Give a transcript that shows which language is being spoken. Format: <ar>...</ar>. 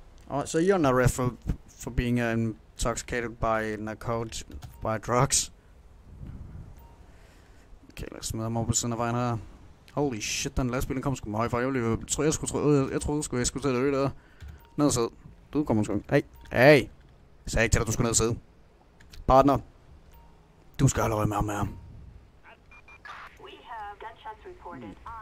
<en>Alright, so you're not ref for being intoxicated by narcotics, by drugs.</en> <da>Okay, lad os smide ham op på siden af vejen her.</da> <en>Holy shit,</en> <da>den lastbil kom sgu meget fra. Jeg troede jeg skulle til at løbe der. Ned og sidde. Du kommer sgu. Hey. Jeg sagde ikke til dig, du skulle ned og sidde. Partner. Du skal holde øje med ham.</da> <en>We have gunshots reported.</en>